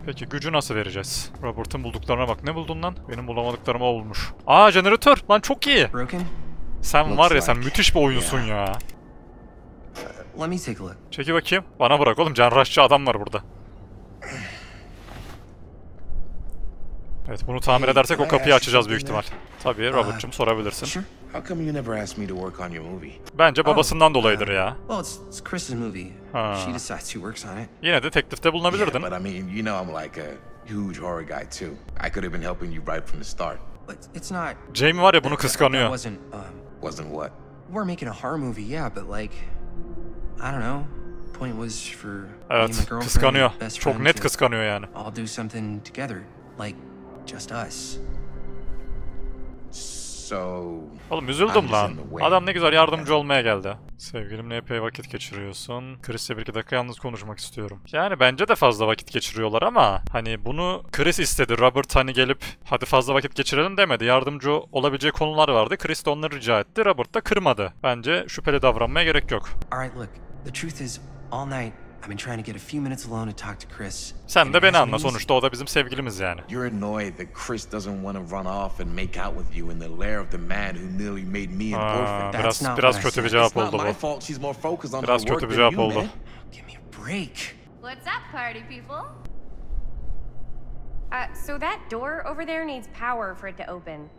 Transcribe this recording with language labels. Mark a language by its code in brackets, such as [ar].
[tr] Peki gücü nasıl vereceğiz? Robert'ın bulduklarına bak. Ne buldun lan? Benim bulamadıklarımı o bulmuş. Aa, jeneratör! Lan çok iyi! Sen var ya, sen müthiş bir oyuncusun ya. Çeki bakayım. Bana bırak oğlum, cerrahçı adam var burada. Evet, bunu tamir edersek o kapıyı açacağız büyük ihtimal. Tabii Robert'cığım, sorabilirsin. [en] How come you never asked me to work on your movie? [tr] Bence babasından dolayıdır ya. [en] Well, it's Chris's movie. She decides who works on it. [tr] Yine de teklifte bulunabilirdin. [en] Yeah, but I mean, you know I'm like a huge horror guy too. I could have been helping you right from the start. But it's not. [tr] Jamie var ya bunu kıskanıyor. [en] Wasn't what? We're making a horror movie, yeah, but like I don't know. Point was for [tr] evet, [en] me and my girlfriend. [tr] Kıskanıyor. Çok net kıskanıyor yani. [en] I'll do something together, like just us. So. [tr] Oğlum üzüldüm lan. Adam ne güzel yardımcı olmaya geldi. Sevgilimle epey vakit geçiriyorsun. Chris'le bir iki dakika yalnız konuşmak istiyorum. Yani bence de fazla vakit geçiriyorlar ama hani bunu Chris istedi. Robert hani gelip hadi fazla vakit geçirelim demedi. Yardımcı olabileceği konular vardı. Chris de onları rica etti. Robert da kırmadı. Bence şüpheli davranmaya gerek yok. [en] Alright, look. The truth is all night I've been trying to get a few minutes alone to talk to Chris. [tr] Sen de beni anla, sonuçta o da bizim sevgilimiz yani. [en] You're annoyed that Chris doesn't want to run off and make out with you in the lair of the man who nearly made me and [tr] Wolf. [en] That's [tr] biraz kötü bir cevap oldu bu. [en] She's more focused on her work than you, man. Give me a break. What's up, party people? So that door over there needs power for it to open.